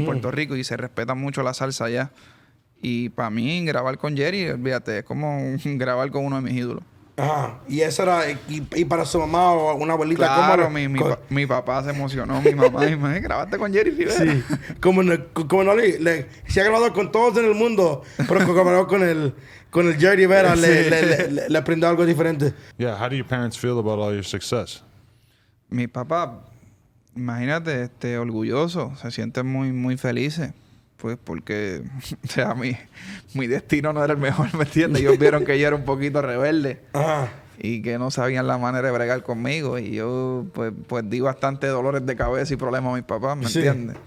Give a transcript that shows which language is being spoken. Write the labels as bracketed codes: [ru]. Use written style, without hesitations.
[es] En Puerto Rico, y se respeta mucho la salsa allá. Y para mí, grabar con Jerry, olvídate, es como grabar con uno de mis ídolos. Ajá. Y eso era, y para su mamá o una abuelita, claro, ¿cómo era? Mi papá se emocionó, mi mamá, y me dijo, grabaste con Jerry Rivera. Sí, como no le se ha grabado con todos en el mundo, pero con el Jerry Rivera, sí. le aprendió algo diferente. [en] Yeah, how do your parents feel about all your success? [es] Mi papá, imagínate, orgulloso, se siente muy, muy feliz. Pues porque, o sea, mi destino no era el mejor, ¿me entiendes? Ellos vieron que yo era un poquito rebelde y que no sabían la manera de bregar conmigo. Y yo, pues di bastante dolores de cabeza y problemas a mis papás, ¿me entiendes?